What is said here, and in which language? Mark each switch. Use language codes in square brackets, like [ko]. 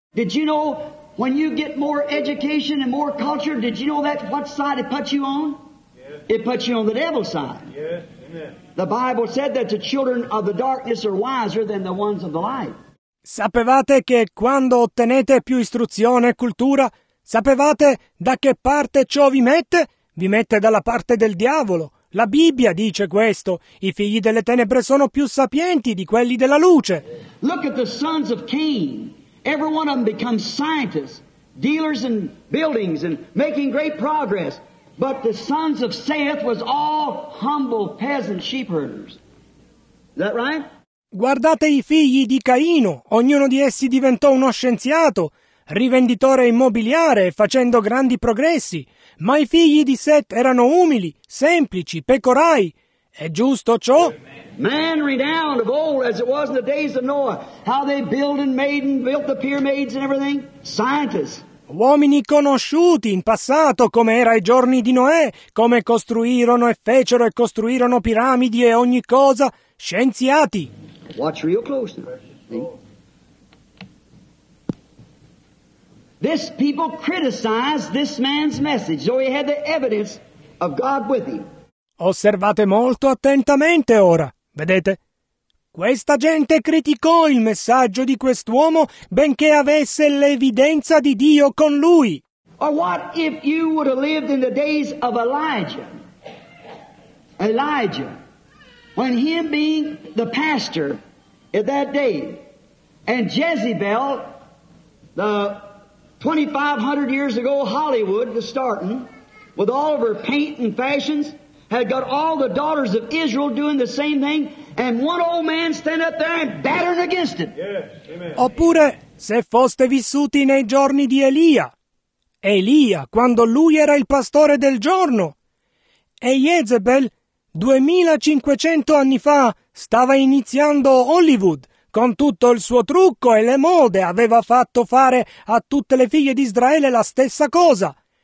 [en] Did you know when you get more education and more culture, did you know that what side it puts you on? Yes. It puts you on the devil's side. Yes. The Bible said that the children of the darkness are wiser than the ones of the light. [it] Sapevate che quando ottenete più istruzione e cultura, sapevate da che parte ciò vi mette? Vi mette dalla parte del diavolo. La Bibbia dice questo. I figli delle tenebre sono più sapienti di quelli della luce. [en] Look at the sons of Cain. Every one of them becomes scientists, dealers in buildings and making great progress. But the sons of Seth was all humble peasant sheepherders. Is that right? [it] Guardate i figli di Caino, ognuno di essi diventò uno scienziato, rivenditore immobiliare, facendo grandi progressi, ma i figli di Seth erano umili, semplici, pecorai. È giusto ciò? [en] Man renowned of old as it was in the days of Noah, how they built and made and built the pyramids and everything, scientists. [it] Uomini conosciuti in passato, come era ai giorni di Noè, come costruirono e fecero e costruirono piramidi e ogni cosa, scienziati. [en] Watch real close now. This people criticized this man's message, though he had the evidence of God with him. [it] Osservate molto attentamente ora, vedete? Questa gente criticò il messaggio di quest'uomo benché avesse l'evidenza di Dio con lui. [en] Or what if you would have lived in the days of Elijah? Elijah, when him being the pastor at that day, and Jezebel, the 2,500 years ago Hollywood, the starting, with all of her paint and fashions, had got all the daughters of Israel doing the same thing, and one old man stand up there and battering against it. Yes. Amen. [it] Oppure, se foste vissuti nei giorni di Elia, quando lui era il pastore del giorno, e Jezebel, 2,500 anni fa, stava iniziando Hollywood, con tutto il suo trucco e le mode, aveva fatto fare a tutte le figlie di Israele la stessa cosa.